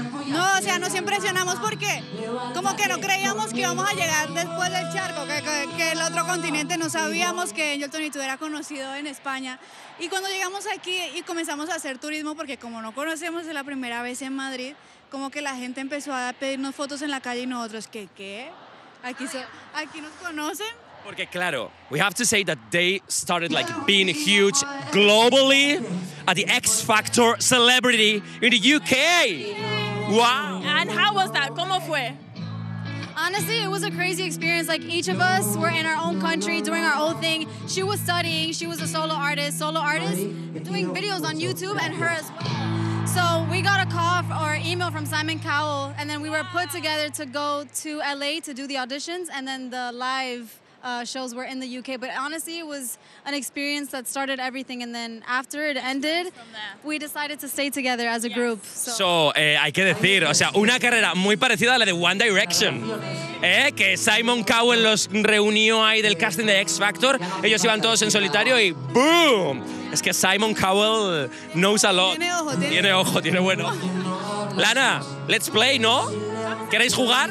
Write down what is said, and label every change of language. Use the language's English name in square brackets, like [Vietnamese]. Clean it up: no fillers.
[Spanish] No, o sea, nos impresionamos porque como que no creíamos que íbamos a llegar después del charco, que el otro continente. No sabíamos que Angel 22 era conocido en España. Y cuando llegamos aquí y comenzamos a hacer turismo, porque como no conocemos, es la primera vez en Madrid, como que la gente empezó a pedirnos fotos en la calle y nosotros, ¿qué? ¿Aquí nos conocen? Porque claro, [English] we have to say that they started like being huge globally at the X Factor Celebrity in the UK. Wow. And how was that? [Spanish] ¿Cómo fue? [English] Honestly, it was a crazy experience. Like, each of us were in our own country doing our own thing. She was studying, she was a solo artist, doing videos on YouTube and her as well. So we got a call or email from Simon Cowell, and then we were put together to go to LA to do the auditions, and then the live shows were in the UK. But honestly, it was an experience that started everything, and then after it ended, we decided to stay together as a group. So, [Spanish] hay que decir, o sea, una carrera muy parecida a la de One Direction, que Simon Cowell los reunió ahí del casting de X Factor, ellos iban todos en solitario y ¡boom! Es que [English] Simon Cowell knows a lot. [Spanish] Tiene ojo, tiene bueno. Lana, [English] let's play, [Spanish] ¿no? ¿Queréis jugar?